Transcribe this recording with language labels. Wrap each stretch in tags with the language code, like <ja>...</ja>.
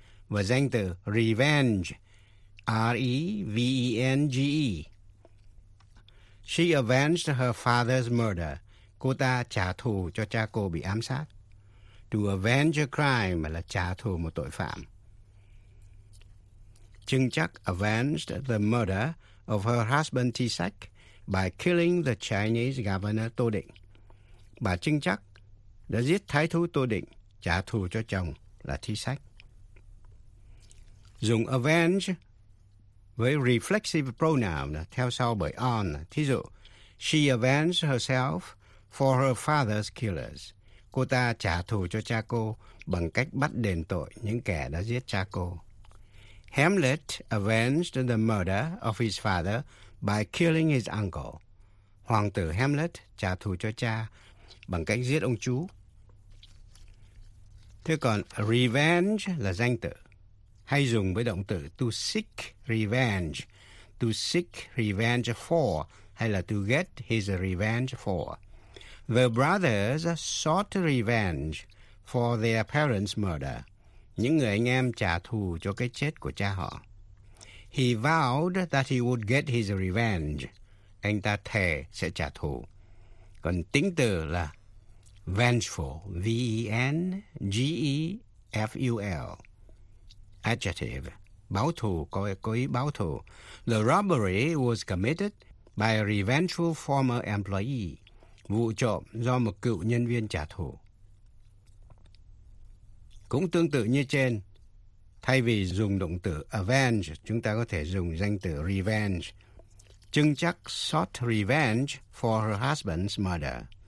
<vi>Và danh từ revenge, R-E-V-E-N-G-E.</vi> <en>She avenged her father's murder.</en> <vi>Cô ta trả thù cho cha cô bị ám sát.</vi> <en>To avenge a crime</en> <vi>là trả thù một tội phạm.</vi> <en>Chưng chắc avenged the murder of her husband T-Sek by killing the Chinese governor Tô Định.</en> <vi>Bà Chưng chắc đã giết thái thú Tô Định, trả thù cho chồng là T-Sek. Dùng avenge với reflexive pronoun theo sau bởi on. Thí dụ,</vi> <en>she avenged herself for her father's killers.</en> <vi>Cô ta trả thù cho cha cô bằng cách bắt đền tội những kẻ đã giết cha cô.</vi> <en>Hamlet avenged the murder of his father by killing his uncle.</en> <vi>Hoàng tử Hamlet trả thù cho cha bằng cách giết ông chú. Thế còn revenge là danh từ, hay dùng với động từ</vi> <en>to seek revenge for,</en> <vi>hay là</vi> <en>to get his revenge for. The brothers sought revenge for their parents' murder.</en> <vi>Những người anh em trả thù cho cái chết của cha họ.</vi> <en>He vowed that he would get his revenge.</en> <vi>Anh ta thề sẽ trả thù. Còn tính từ là vengeful, V-E-N-G-E-F-U-L. Adjective, báo thù, cố ý báo thù.</vi> <en>The robbery was committed by a revengeful former employee.</en> <vi>Vụ trộm do một cựu nhân viên trả thù. Cũng tương tự như trên, thay vì dùng động từ avenge, chúng ta có thể dùng danh từ revenge.</vi> <en>Chưng chắc sought revenge for her husband's murder.</en>